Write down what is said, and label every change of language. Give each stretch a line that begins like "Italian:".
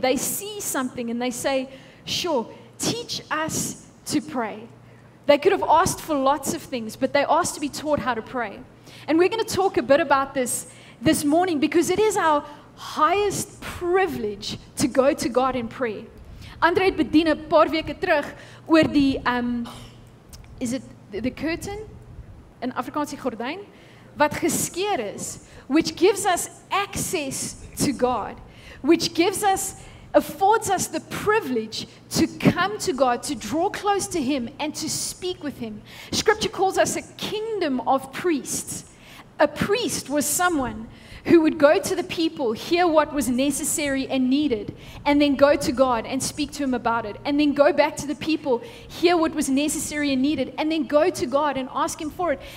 English: They see something and they say, sure, teach us to pray. They could have asked for lots of things, but they asked to be taught how to pray. And we're going to talk a bit about this morning because it is our highest privilege to go to God in prayer.
Afrikaans: Andre het bedien 'n paar weke terug oor die,
English: is it the curtain?
Afrikaans: In Afrikaans die gordyn? Wat geskeur is,
English: which gives us access to God, which gives us, affords us the privilege to come to God, to draw close to Him and to speak with Him. Scripture calls us a kingdom of priests. A priest was someone who would go to the people, hear what was necessary and needed, and then go to God and speak to him about it, and then go back to the people, hear what was necessary and needed, and then go to God and ask him for it.